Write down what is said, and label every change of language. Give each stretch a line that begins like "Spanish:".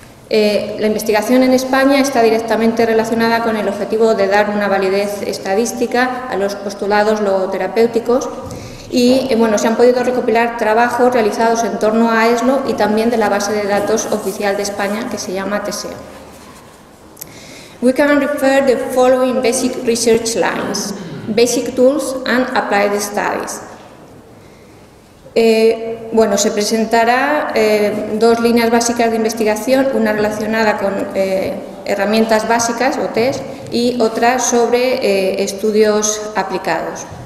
Spanish: La investigación en España está directamente relacionada con el objetivo de dar una validez estadística a los postulados logoterapéuticos y bueno, se han podido recopilar trabajos realizados en torno a AISLO y también de la base de datos oficial de España que se llama TISEO.
English: We can refer the following basic research lines. Basic tools and applied studies.
Spanish: Bueno, se presentará dos líneas básicas de investigación, una relacionada con herramientas básicas o test y otra sobre estudios aplicados.